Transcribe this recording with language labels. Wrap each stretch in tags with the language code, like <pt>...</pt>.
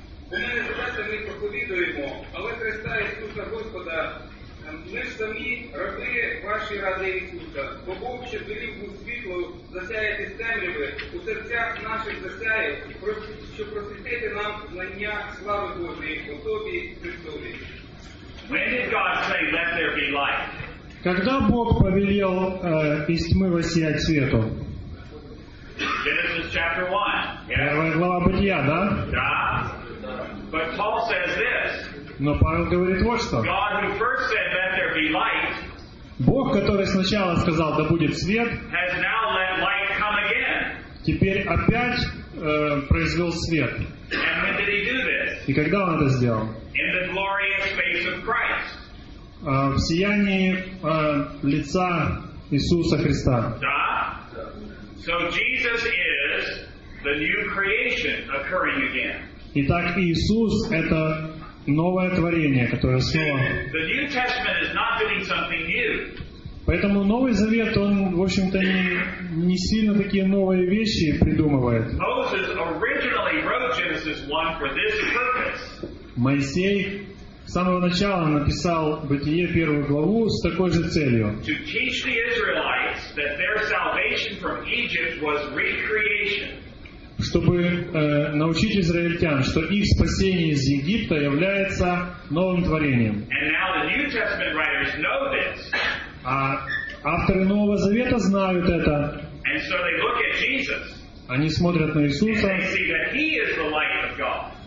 <uk>У мене задача ми проповідуємо, але Христа Ісуса Господа, ми ж самі рабли ваші ради Ісуса, бо Бог ще велів у світло засяяти темряви у серцях наших засяє, щоб просвітити нам знання слави Божої в особі Христові.</uk> <en>When did God say, let there be light?</en> <ru>Когда Бог повелел из тьмы воссиять свету?</ru> <en>Genesis chapter 1.</en> <ru>Yeah. Первая глава Бытия, да?</ru> <en>Да. But Paul says this.</en> <ru>Но Павел говорит вот что.</ru> <en>God who first said, let there be light,</en> <ru>Бог, который сначала сказал, да будет свет,</ru> <en>has now let light come again.</en> <ru>Теперь опять произвел свет.</ru> <en>And when did he do this?</en> <ru>И когда он это сделал?</ru> <en>In the glorious face of Christ.</en> <ru>В сиянии лица Иисуса Христа. Да.</ru> <en>So Jesus is the new creation occurring again.</en> <ru>Итак, Иисус — это новое творение, которое снова...</ru> <en>The New Testament is not doing something new.</en> <ru>Поэтому Новый Завет, он, в общем-то, не сильно такие новые вещи придумывает.</ru> <en>Moses originally wrote Genesis 1 for this purpose.</en> <ru>Моисей с самого начала написал Бытие первую главу с такой же целью.</ru> <en>To teach the Israelites that their salvation from Egypt was recreation.</en> <ru>Чтобы научить израильтян, что их спасение из Египта является новым творением.</ru> <en>And now the New Testament writers know this.</en> <ru>А авторы Нового Завета знают это.</ru> <en>And so they look at Jesus.</en> <ru>Они смотрят на Иисуса.</ru> <en>And they see that he is the light of God.</en>